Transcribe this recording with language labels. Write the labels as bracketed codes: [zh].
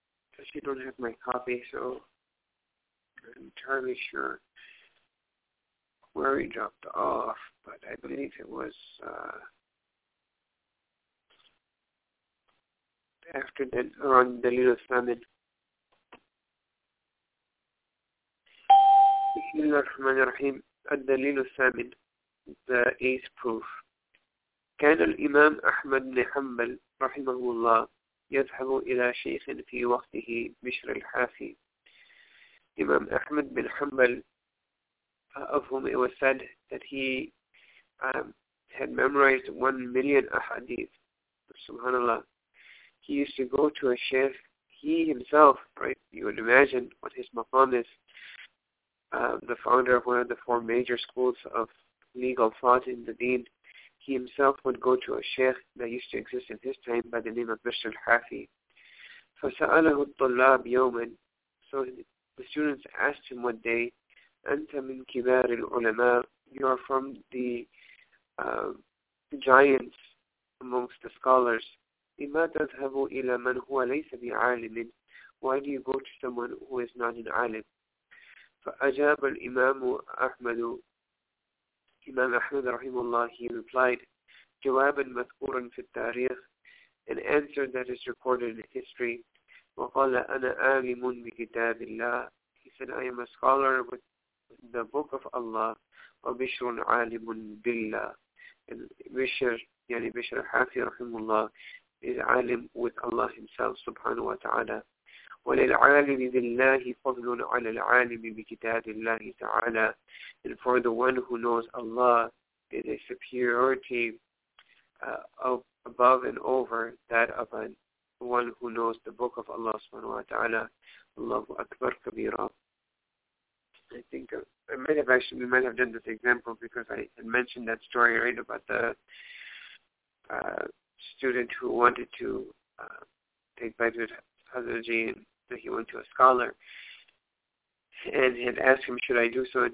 [en] Because you don't have my copy, so I'm entirely sure where we dropped off, but I believe it was after the around the little famine. [ar] بسم الله الرحمن الرحيم. الدليل الثامن, [en] the eighth proof. [ar] كان الإمام أحمد بن حنبل رحمه الله يذهب إلى شيخ في وقته بشر الحافي. [en] إمام أحمد بن حنبل, of whom it was said that he had memorized 1,000,000 ahadith, subhanAllah. He used to go to a sheikh, he himself, right, you would imagine what his maqam is, the founder of one of the four major schools of legal thought in the deen, he himself would go to a sheikh that used to exist in his time by the name of Bishr al-Hafi. [ar] فَسَأَلَهُ الطُّلَّابُ يَوْمًا. [en] So the students asked him one day, [ar] أَنْتَ مِنْ كِبَارِ الْعُلَمَاءِ, [en] you are from the giants amongst the scholars. [ar] لِمَا تَذْهَبُ إِلَى مَنْ هُوَ لَيْسَ بِعَالِمٍ, [en] why do you go to someone who is not an alim? [ar] فأجاب الإمام أحمد, إمام أحمد رحمه الله, [en] he replied, [ar] جوابا مذكورا في التاريخ, [en] an answer that is recorded in history. [ar] وقال أنا عالم بكتاب الله, [en] he said, I am a scholar with the book of Allah. [ar] وبشر عالم بالله, and بشر, يعني بشر الحافي رحمه الله, is عالم [en] with Allah himself [ar] سبحانه وتعالى. وللعالم بالله فضل على العالم بكتاب الله تعالى. [en] And for the one who knows Allah, it is superiority of above and over that of the one who knows the book of Allah subhanahu wa ta'ala. Allahu Akbar Kabira. I think we might have done this example because I had mentioned that story, right, about the student who wanted to take Badr Hazraji, that he went to a scholar and had asked him, should I do so?